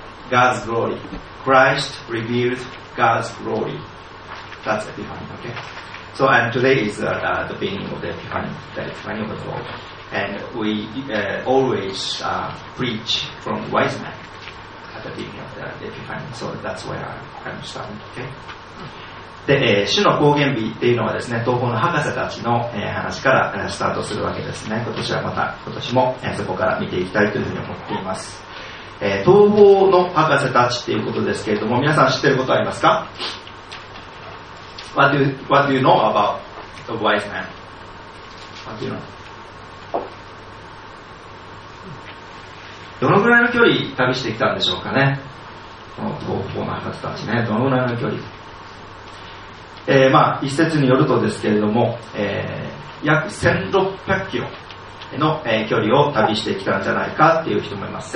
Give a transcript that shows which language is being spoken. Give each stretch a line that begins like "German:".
English: God's glory. Christ reveals God's glory. That's Epiphany, okay? So, and today is the beginning of the Epiphany, the Epiphany of the Lord. And we always preach from wise men at the beginning of the Epiphany. So that's where I'm starting, okay?
Japanese: で、主の高原日っていうのはですね、東方の博士たちの、話からスタートするわけですね。今年はまた、今年も、そこから見ていきたいというふうに思っています。東方の博士たちっていうことですけれども、皆さん知ってることありますか？
English: What do you know about the wise man? What do you know?
Japanese: どのぐらいの距離旅してきたんでしょうかね。この東方の博士たちね、どのぐらいの距離。まあ、一説によるとですけれども、約1600キロの、距離を旅してきたんじゃないかっていう人もいます。